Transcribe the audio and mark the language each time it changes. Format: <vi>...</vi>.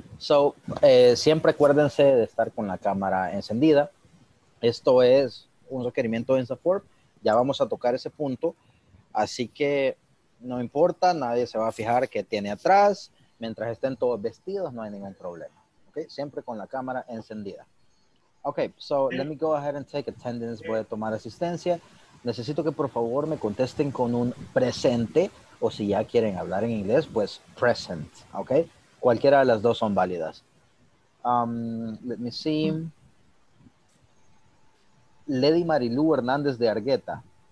<es>So, siempre acuérdense de estar con la cámara encendida. Esto es un requerimiento de InstaForp. Ya vamos a tocar ese punto. Así que no importa, nadie se va a fijar qué tiene atrás. Mientras estén todos vestidos, no hay ningún problema. Okay? Siempre con la cámara encendida.</es> <en>Ok, so let me go ahead and take attendance.</en> <es>Voy a tomar asistencia. Necesito que por favor me contesten con un presente. O si ya quieren hablar en inglés, pues present. Ok, cualquiera de las dos son válidas.</es> <en>Let me see.</en> <es>Lady Marilú Hernández de Argueta.</es>